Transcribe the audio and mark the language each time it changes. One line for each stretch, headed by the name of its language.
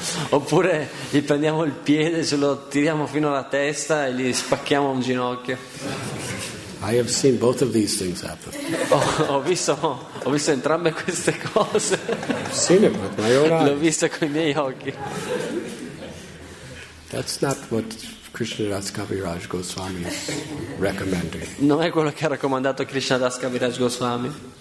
Italian: Oppure gli prendiamo il piede, se lo tiriamo fino alla testa e gli spacchiamo un ginocchio.
English: I have seen both of these things happen.
Italian: Ho visto entrambe queste cose.
English: Seen it with my own eyes.
Italian: L'ho visto con i miei occhi.
English: That's not what Krishnadas Kaviraj Goswami is recommending.
Italian: Non è quello che ha raccomandato Krishnadas Kaviraj Goswami.